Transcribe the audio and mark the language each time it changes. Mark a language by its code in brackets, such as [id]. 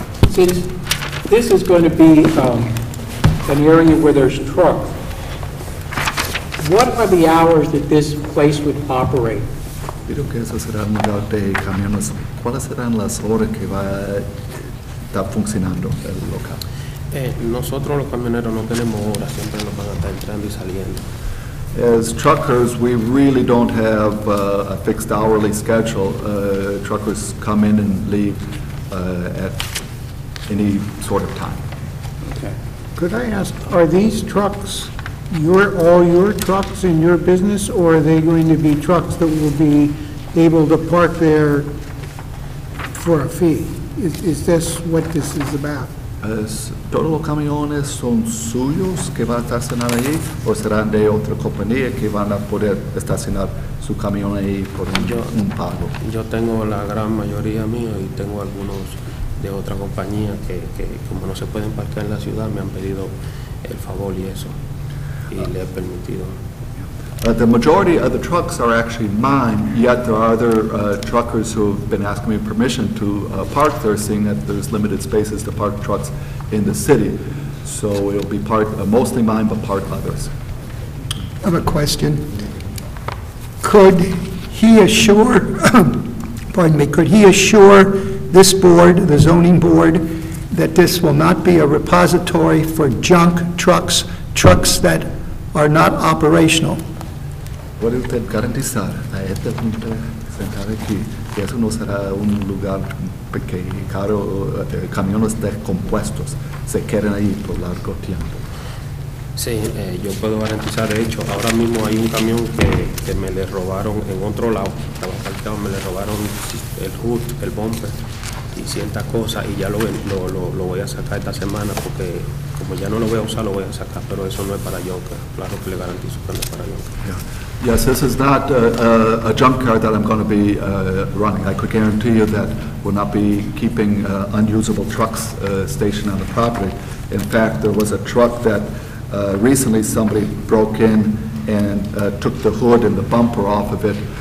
[en] Since this is going to be an area where there's trucks, what are the hours that this place would operate? [es] Creo que eso será un lugar de camiones. ¿Cuáles serán las horas que va a estar funcionando el local? Nosotros los camioneros no tenemos horas, siempre nos van a estar entrando y saliendo. [en] As truckers, we really don't have a fixed hourly schedule. Truckers come in and leave at any sort of time. Could I ask, are these trucks all your trucks in your business, or are they going to be trucks that will be able to park there for a fee? Is this what this is about? [es] ¿Todos los camiones son suyos que van a estacionar allí, o serán de otra compañía que van a poder estacionar su camión ahí por un pago? Yo tengo la gran mayoría mío y tengo algunos de otra compañía que como no se pueden parquear en la ciudad, me han pedido el favor y eso, y le he permitido. [en] The majority of the trucks are actually mine, yet there are other truckers who have been asking me permission to park there, seeing that there's limited spaces to park trucks in the city. So it'll be part, mostly mine, but part others. I have a question. Could he assure, pardon me, could he assure this board, the zoning board, that this will not be a repository for junk trucks, trucks that are not operational? [es] ¿Puede usted garantizar a este punto sentado aquí que eso no será un lugar que camiones descompuestos se queden ahí por largo tiempo? Sí, yo puedo garantizar. De hecho, ahora mismo hay un camión que me le robaron en otro lado. Estaba parqueado, me le robaron el hood, el bumper y ciertas cosas, y ya lo voy a sacar esta semana porque como ya no lo voy a usar, lo voy a sacar, pero eso no es para Junker. Claro que le garantizo que no es para Junker. [en] Yes, this is not a junk car that I'm going to be running. I could guarantee you that we'll not be keeping unusable trucks stationed on the property. In fact, there was a truck that recently somebody broke in and took the hood and the bumper off of it.